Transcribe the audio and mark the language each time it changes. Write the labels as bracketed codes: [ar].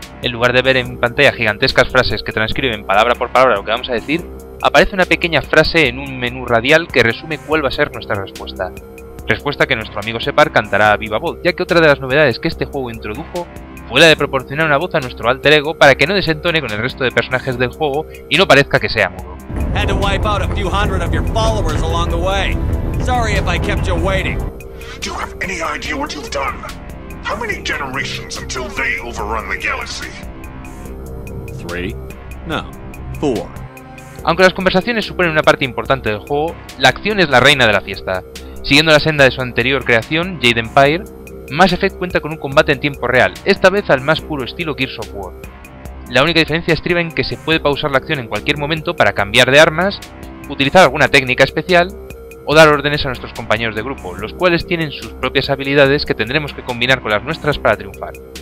[es] En lugar de ver en pantalla gigantescas frases que transcriben palabra por palabra lo que vamos a decir, aparece una pequeña frase en un menú radial que resume cuál va a ser nuestra respuesta. Respuesta que nuestro amigo Shepard cantará a viva voz, ya que otra de las novedades que este juego introdujo fue la de proporcionar una voz a nuestro alter ego para que no desentone con el resto de personajes del juego y no parezca que sea mudo. [en] Had to wipe out a few hundred of your followers along the way. Sorry if I kept you waiting. Do you have any idea what you've done? How many generations until they overrun the galaxy? 3? No, 4. [es] Aunque las conversaciones suponen una parte importante del juego, la acción es la reina de la fiesta. Siguiendo la senda de su anterior creación, Jade Empire, Mass Effect cuenta con un combate en tiempo real, esta vez al más puro estilo Gears of War. La única diferencia estriba en que se puede pausar la acción en cualquier momento para cambiar de armas, utilizar alguna técnica especial o dar órdenes a nuestros compañeros de grupo, los cuales tienen sus propias habilidades que tendremos que combinar con las nuestras para triunfar.